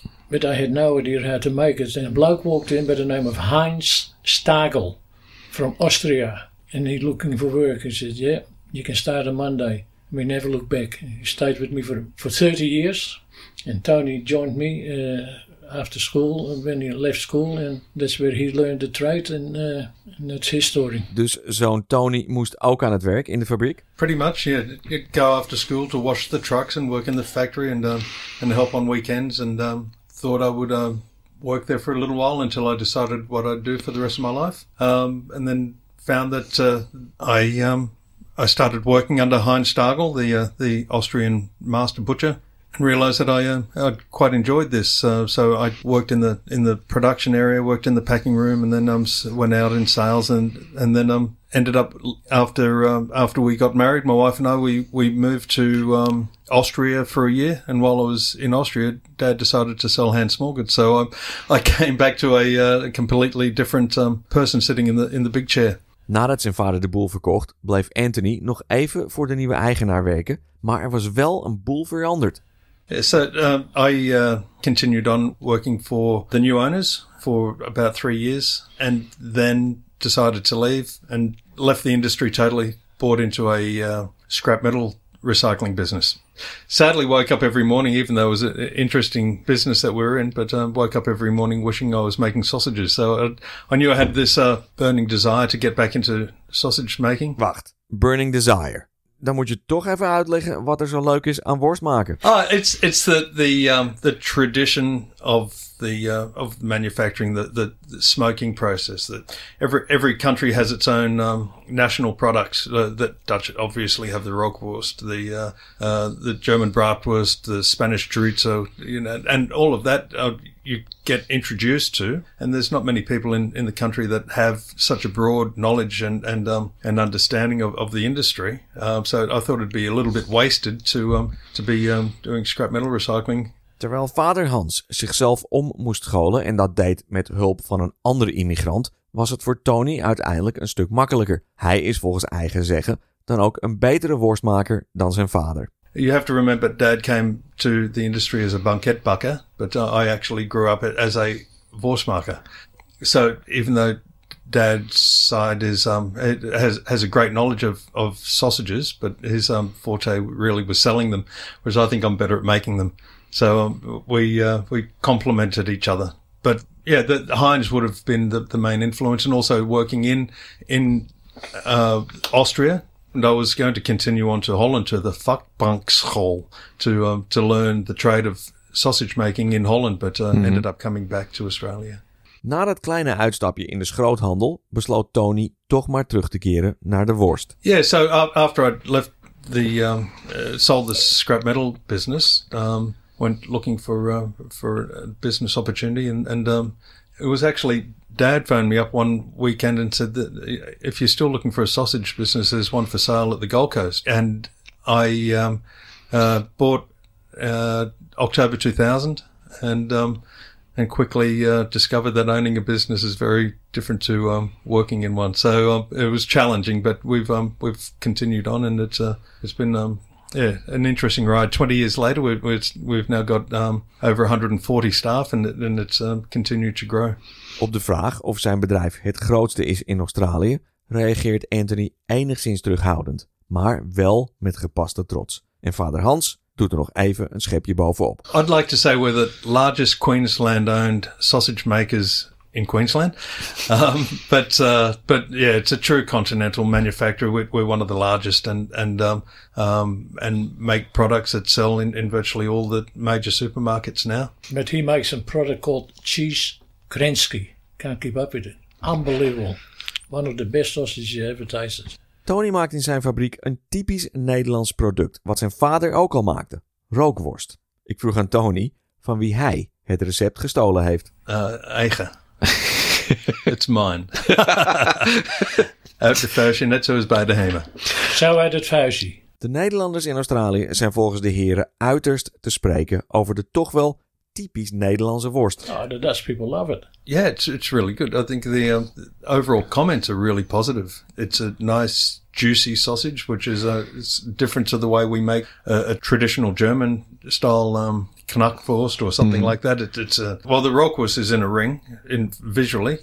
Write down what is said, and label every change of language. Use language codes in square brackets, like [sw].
[en] But I had no idea how to make it. And a bloke walked in by the name of Heinz Stagel from Austria. And he looking for work. He said, yeah, you can start on Monday. We never look back. He stayed with me for 30 years. And Tony joined me after school, when he left school. And that's where he learned the trade. And that's his story. [nl] Dus zoon Tony moest ook aan het werk in de fabriek? [en] Pretty much, yeah. He'd go after school to wash the trucks and work in the factory and help on weekends and thought I would work there for a little while until I decided what I'd do for the rest of my life. And then found that I started working under Heinz Stagel, the Austrian master butcher. and realized that I'd quite enjoyed this. So I worked in the production area, worked in the packing room, and then went out in sales, and then ended up after we got married, my wife and I, we moved to Austria for a year. And while I was in Austria, Dad decided to sell Hans Morgan. So I came back to a completely different person sitting in the big chair. [nl] Nadat zijn vader de boel verkocht, bleef Anthony nog even voor de nieuwe eigenaar werken, maar er was wel een boel veranderd. [en] So I continued on working for the new owners for about 3 years, and then decided to leave and left the industry totally, bought into a scrap metal recycling business. Sadly, woke up every morning, even though it was an interesting business that we were in, but woke up every morning wishing I was making sausages. So I knew I had this burning desire to get back into sausage making. [nl] Wacht, [en] burning desire. [nl] Dan moet je toch even uitleggen wat er zo leuk is aan worst maken. [en] Ah, it's the tradition of the manufacturing, the smoking process. That every country has its own national products. That Dutch obviously have the rockwurst, the German bratwurst, the Spanish chorizo, you know, and all of that you get introduced to. And there's not many people in the country that have such a broad knowledge and understanding of the industry. So I thought it'd be a little bit wasted to be doing scrap metal recycling. [nl] Terwijl vader Hans zichzelf om moest scholen en dat deed met hulp van een andere immigrant, was het voor Tony uiteindelijk een stuk makkelijker. Hij is volgens eigen zeggen dan ook een betere worstmaker dan zijn vader. [en] You have to remember Dad came to the industry as a banketbakker, but I actually grew up as a worstmaker. So even though Dad's side is has a great knowledge of sausages, but his forte really was selling them, whereas I think I'm better at making them. So we complemented each other. But yeah, the Heinz would have been the main influence, and also working in Austria, and I was going to continue on to Holland to the Vakbankschool to learn the trade of sausage making in Holland, but ended up coming back to Australia. [nl] Na dat kleine uitstapje in de schroothandel besloot Tony toch maar terug te keren naar de worst. [en] Yeah, so after I'd left sold the scrap metal business, went looking for a business opportunity, and it was actually Dad phoned me up one weekend and said that if you're still looking for a sausage business, there's one for sale at the Gold Coast. And I bought October 2000 and quickly discovered that owning a business is very different to working in one. So it was challenging, but we've continued on, and it's been yeah, an interesting ride. 20 years later, we've now got over 140 staff, and it's continued to grow. [nl] Op de vraag of zijn bedrijf het grootste is in Australië, reageert Anthony enigszins terughoudend, maar wel met gepaste trots. En vader Hans doet er nog even een schepje bovenop. [en] I'd like to say we're the largest Queensland-owned sausage makers in Queensland, but yeah, it's a true continental manufacturer. We're one of the largest, and make products that sell in virtually all the major supermarkets now. But he makes a product called Cheese Krensky. Can't keep up with it. Unbelievable. One of the best sausages you ever tasted. [nl] Tony maakt in zijn fabriek een typisch Nederlands product, wat zijn vader ook al maakte, rookworst. Ik vroeg aan Tony van wie hij het recept gestolen heeft. Eigen. [en] It's mine. [nl] Uit de vuistje, net zoals bij de Hema. Zo uit het vuistje. De Nederlanders in Australië zijn volgens de heren uiterst te spreken over de toch wel typisch Nederlandse worst. [en] Oh, the Dutch people love it. Yeah, it's really good. I think the overall comments are really positive. It's a nice, juicy sausage, which is it's different to the way we make a traditional German style knackwurst or something like that. Well, the rockwurst is in a ring, in visually.